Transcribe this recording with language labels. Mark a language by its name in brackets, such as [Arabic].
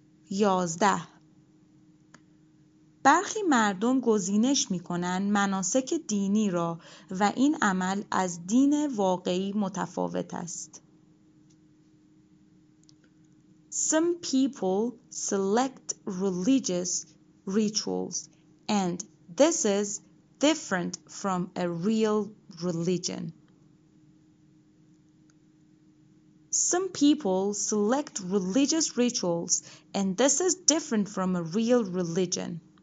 [English] 11. [Persian] برخی مردم گزینش می‌کنند مناسک دینی را و این عمل از دین واقعی متفاوت است. [English] Some people select religious rituals and this is different from a real religion. Some people select religious rituals and this is different from a real religion.